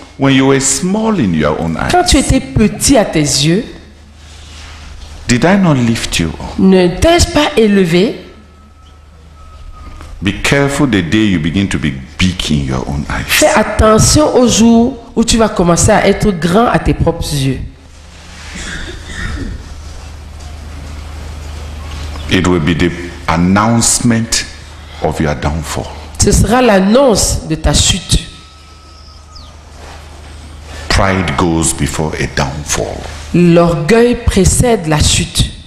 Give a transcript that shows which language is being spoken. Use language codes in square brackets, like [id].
[en] When you were small in your own eyes. [fr] Quand tu étais petit à tes yeux. [en] Did I not lift you up? [fr] Ne t'ai-je pas élevé? [en] Be careful the day you begin to be big in your own eyes. [fr] Fais attention au jour où tu vas commencer à être grand à tes propres yeux. [en] It will be the announcement of your downfall. [fr] Ce sera l'annonce de ta chute. [en] Pride goes before a downfall. [fr] L'orgueil précède la chute.